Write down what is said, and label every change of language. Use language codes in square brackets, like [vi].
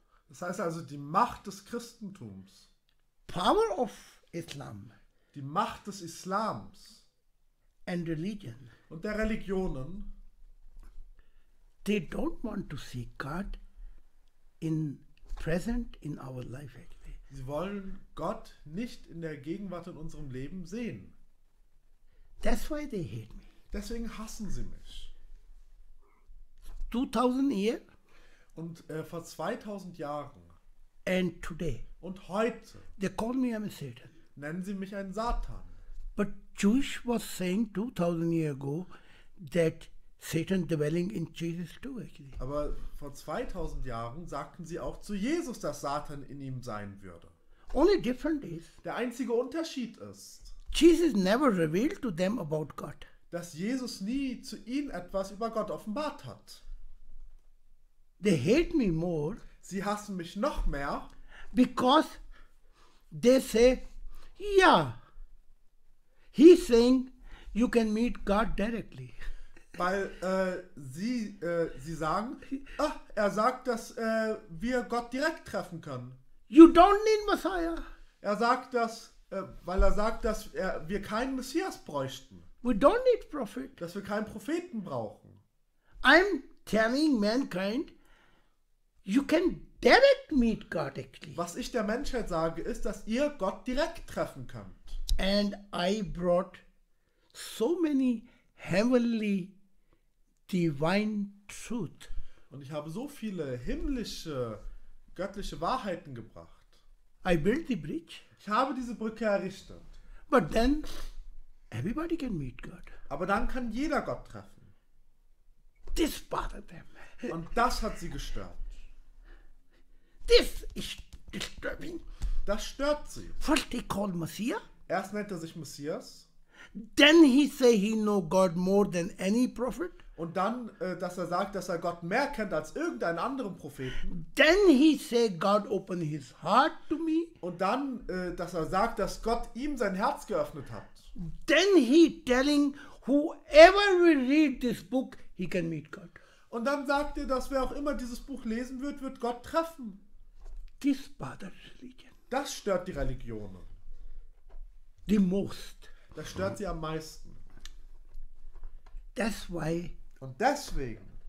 [de] Das heißt also, die Macht des Christentums. [en] Power of Islam. [de] Die Macht des Islams. [en] And religion. [de] Und der Religionen. [en] They don't want to see God in present in our life, actually. [de] Sie wollen Gott nicht in der Gegenwart in unserem Leben sehen. [en] That's why they hate me. [de] Deswegen hassen sie mich. [en] 2000 years. [de] Und vor 2000 Jahren. [en] And today. [de] Und heute. [en] They call me a Satan. [de] Nennen sie mich einen Satan. [en] But Jewish was saying 2000 years ago that Satan dwelling in Jesus too, actually. [de] Aber vor 2000 Jahren sagten sie auch zu Jesus, dass Satan in ihm sein würde. [en] Only different is. [de] Der einzige Unterschied ist. [en] Jesus never revealed to them about God. [de] Dass Jesus nie zu ihnen etwas über Gott offenbart hat. [en] They hate me more. [de] Sie hassen mich noch mehr. [en] Because they say, yeah, he's saying you can meet God directly. [de] Weil sie sagen, ah, er sagt, dass wir Gott direkt treffen können. [en] You don't need Messiah. [de] Er sagt das, weil er sagt, dass wir keinen Messias bräuchten. [en] We don't need prophet. [de] Dass wir keinen Propheten brauchen. [en] I'm telling mankind, you can direct meet God actually. [de] Was ich der Menschheit sage, ist, dass ihr Gott direkt treffen könnt. [en] And I brought so many heavenly divine truth. [de] Und ich habe so viele himmlische, göttliche Wahrheiten gebracht. [en] I built the bridge. [de] Ich habe diese Brücke errichtet. [en] But then everybody can meet God. [de] Aber dann kann jeder Gott treffen. [en] This bothered them. [de] Und das hat sie gestört. [en] This is disturbing. [de] Das stört sie. [en] First they call Messiah. [de] Erst nennt er sich Messias. [en] Then he say he know God more than any prophet. [de] Und dann, dass er sagt, dass er Gott mehr kennt als irgendeinen anderen Propheten. [en] Then he say God open his heart to me. [de] Und dann, dass er sagt, dass Gott ihm sein Herz geöffnet hat. [en] Then he telling whoever will read this book, he can meet God. [de] Und dann sagt er, dass wer auch immer dieses Buch lesen wird, wird Gott treffen. [en] This bothers religion. [de] Das stört die Religionen. [en] The most. [de] Das stört sie am meisten. [en] That's why. [de] Und deswegen.